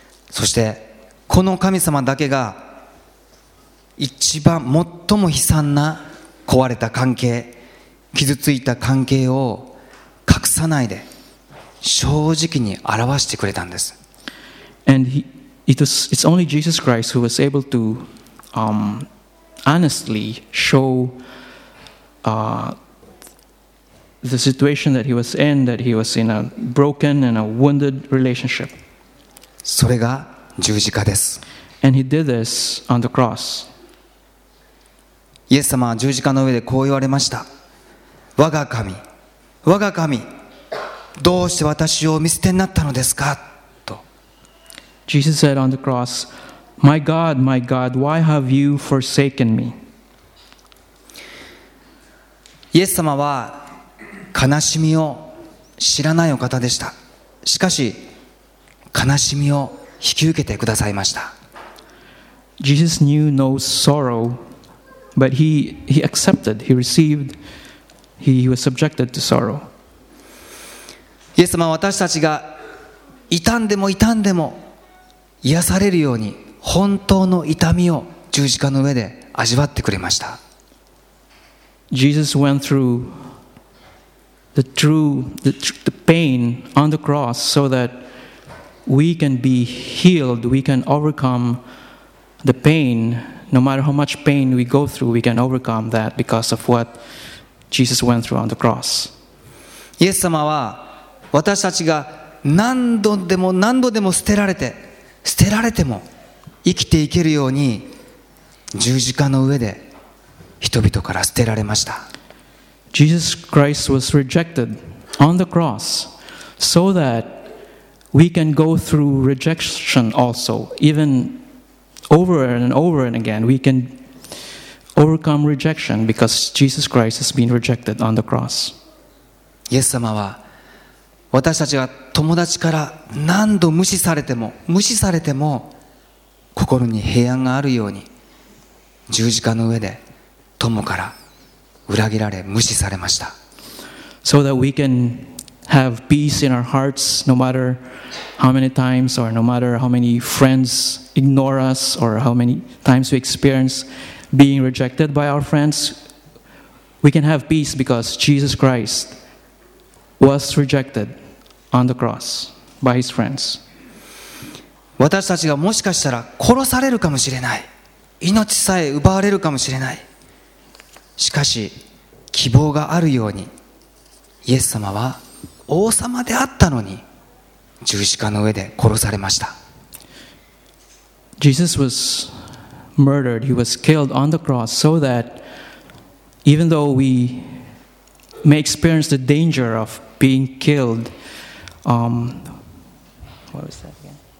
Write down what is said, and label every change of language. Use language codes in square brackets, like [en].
[ja] そしてこの神様だけが一番最も悲惨な壊れた関係、傷ついた関係を隠さないで。正直に表してくれたんです。 [en] And it's only Jesus Christ who was able to honestly show the situation that he was in, that he was in a broken and a wounded relationship. [ja] それが十字架です。 [en] And he did this on the cross. [ja] イエス様は十字架の上でこう言われました。我が神、我が神。どうして私を見捨てになったのですかと。 [en] Jesus said on the cross, My God, my God, why have you forsaken me? [ja] イエス様は悲しみを知らないお方でした。しかし、悲しみを引き受けてくださいました。 [en] Jesus knew no sorrow, but he accepted, he received, he was subjected to sorrow. [ja] イエス様は私たちが痛んでも痛んでも癒されるように本当の痛みを十字架の上で味わってくれました。 [en] Jesus went through the pain on the cross so that we can be healed, we can overcome the pain. No matter how much pain we go through, we can overcome that because of what Jesus went through on the cross. [ja] イエス様は私たちが何度でも何度でも捨てられて、捨てられても生きていけるように十字架の上で人々から捨てられました。 [en] Jesus Christ was rejected on the cross so that we can go through rejection also, even over and over and again, we can overcome rejection because Jesus Christ has been rejected on the cross. [ja] イエス様は私たちが友達から何度無視されても、無視されても、心に平安があるように、十字架の上で友から裏切られ、無視されました。 [en] So that we can have peace in our hearts, no matter how many times, or no matter how many friends ignore us, or how many times we experience being rejected by our friends, we can have peace because Jesus Christ was rejected. On the cross by his friends. [ja] 私たちがもしかしたら殺されるかもしれない、命さえ奪われるかもしれない。しかし希望があるように、イエス様は王様であったのに十字架の上で殺されました。 [en] Jesus was murdered. He was killed on the cross so that Even though we may experience the danger of being killed, what was that again?